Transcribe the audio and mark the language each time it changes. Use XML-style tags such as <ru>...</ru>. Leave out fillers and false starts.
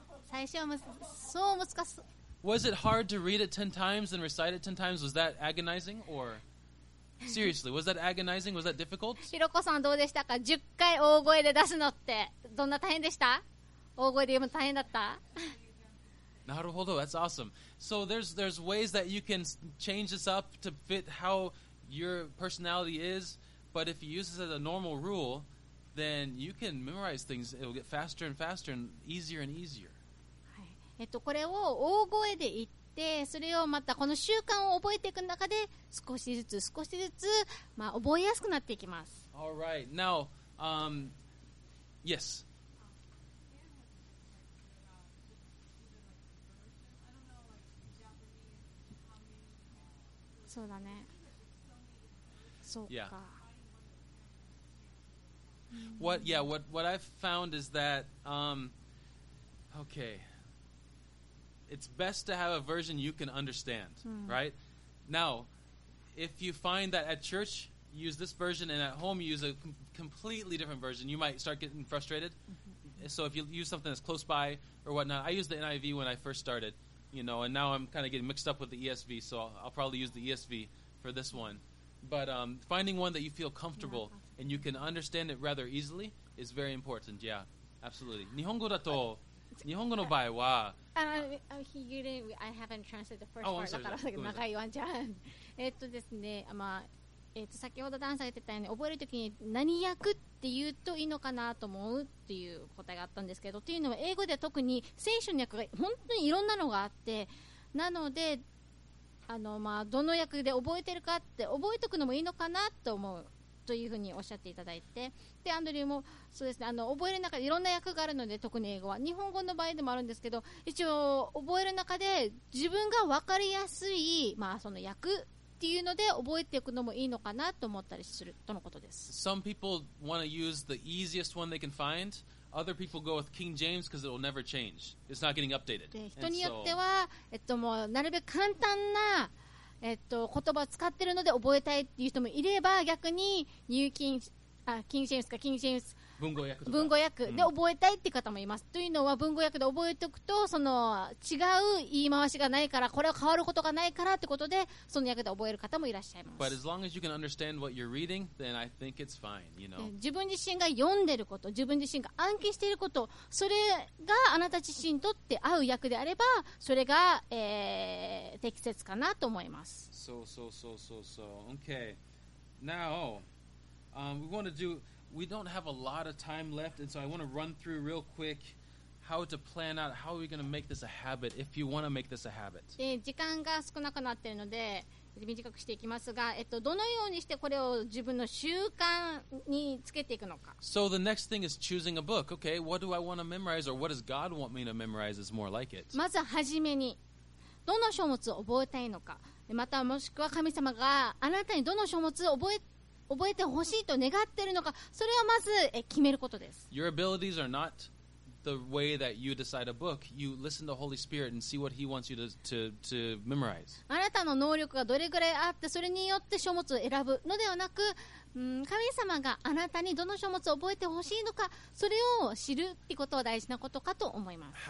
<ja>最初はそう難しい。</ja> <en>Was it hard to read it 10 times and recite it 10 times? Was that agonizing or... Seriously, was that agonizing? Was that difficult?</en> <ja>ひろこさんどうでしたか ?10 回大声で出すのってどんな大変でした大声で読むの大変だった</ja> <en>なるほど、 that's awesome. So there's ways that you can change this up to fit how your personality is, but if you use this as a normal rule, then you can memorize things. It'll get faster and faster and easier and easier.、</en> <ja>はい、これを大声で言って、でそれをまたこの習慣を覚えていく中で少しずつ少しずつ、まあ、覚えやすくなっていきます。</ja> <en>All right. Now, yes.</en> <ja>そうだね。そうか。</ja> <en>Yeah. What? Yeah. What I've found is that, okay. It's best to have a version you can understand,、mm. right? Now, if you find that at church you use this version and at home you use a completely different version, you might start getting frustrated.、Mm-hmm. So if you use something that's close by or whatnot, I used the NIV when I first started, you know, and now I'm kind of getting mixed up with the ESV, so I'll probably use the ESV for this one. But、finding one that you feel comfortable、yeah. and you can understand it rather easily is very important. Yeah, absolutely.</en> <ja>日本語だと、日本語の場合は、</ja> <en>you didn't, I haven't translated the first part だから長いわんじゃん。</en> <ja>ですね、まあ先ほどダンさんが言ってたように覚えるときに何訳って言うといいのかなと思うっていう答えがあったんですけど、というのは英語では特に聖書の訳が本当にいろんなのがあって、なのでまあどの訳で覚えてるかって覚えておくのもいいのかなと思うというふうにおっしゃっていただいて、でアンドリューもそうですね、覚える中でいろんな訳があるので、特に英語は日本語の場合でもあるんですけど、一応覚える中で自分が分かりやすい、まあ、その訳っていうので覚えていくのもいいのかなと思ったりするとのことです。</ja> <en>Some people want to use the easiest one they can find. Other people go with King James because it'll never change. It's not getting updated.</en> <ja>人によっては、もうなるべく簡単な言葉を使っているので覚えたいっていう人もいれば、逆にニューキン、あ、キングジェームスか、キングジェームス文語訳で覚えたいっていう方もいます、うん、というのは文語訳で覚えておくと、その違う言い回しがないから、これは変わることがないからってことで、その訳で覚える方もいらっしゃいます。</ja> <en>But as long as you can understand what you're reading, then I think it's fine, you know?</en> <ja>自分自身が読んでること、自分自身が暗記していること、それがあなた自身にとって合う訳であれば、それが、適切かなと思います。</ja> <en>So. Okay. Now, we want to doWe don't have a lot of time left, and so I want to run through real quick how to plan out how we're going to make this a habit if you want to make this a habit.</en> <ja>時間が少なくなっているので短くしていきますが、どのようにしてこれを自分の習慣につけていくのか。</ja> <en>So the next thing is choosing a book. Okay, what do I want to memorize, or what does God want me to memorize is more like it.</en> <ja>まずはじめに、どの書物を覚えたいのか。またもしくは神様があなたにどの書物を覚えてほしいと願っているのか、それをまず決めることです。</ja> <en>Your abilities are not the way that you decide a book. You listen to the Holy Spirit and see what He wants you to memorize.</en> <ja>あなたの能力がどれくらいあって、それによって書物を選ぶのではなく、神様があなたにどの書物を覚えてほしいのか、それを知るってことは大事なことかと思います。</ja>